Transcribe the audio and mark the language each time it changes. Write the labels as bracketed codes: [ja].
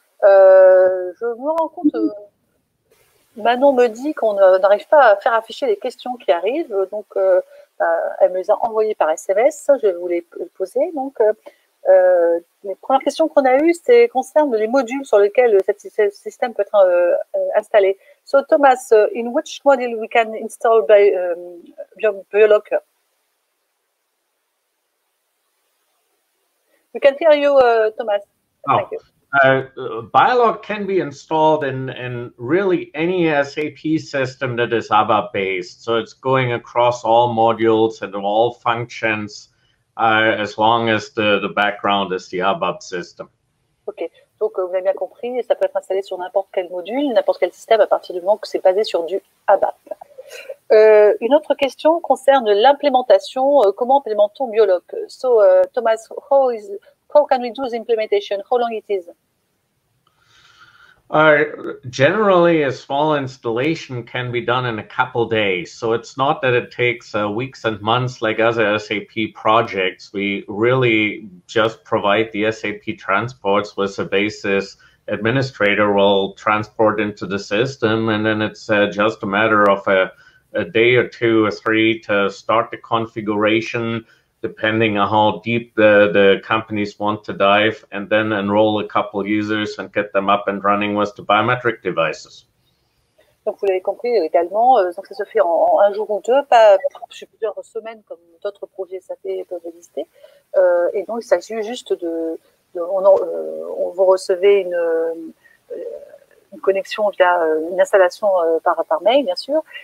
[fr] Je me rends compte, Manon me dit qu'on n'arrive pas à faire afficher les questions qui arrivent, donc elle me les a envoyées par SMS, je vais vous les poser. Donc, les premières questions qu'on a eues, c'est concernant les modules sur lesquels ce système peut être installé. [en] So Thomas, in which module we can install bioLock? We can hear you, Thomas. Thank you. biLock can be installed in really any SAP system that is ABAP-based. So it's going across all modules and all functions as long as the background is the ABAP system. Okay. [fr] Donc, vous avez bien compris, ça peut être installé sur n'importe quel module, n'importe quel système, à partir du moment que c'est basé sur du ABAP. Une autre question concerne l'implémentation. Comment implémentons bioLock? [en] So, Thomas, how can we do the implementation? How long it is? Generally, a small installation can be done in a couple days. So it's not that it takes weeks and months like other SAP projects. We really just provide the SAP transports with a basis administrator will transport into the system. And then it's just a matter of a day or two or three to start the configuration, depending on how deep the companies want to dive, and then enroll a couple users and get them up and running with the biometric devices. [fr] Donc vous l'avez compris également, donc ça se fait en un jour ou deux, pas sur plusieurs semaines comme d'autres projets SAP peuvent exister. Et donc il s'agit juste de vous recevez une connexion via une installation par mail, bien sûr.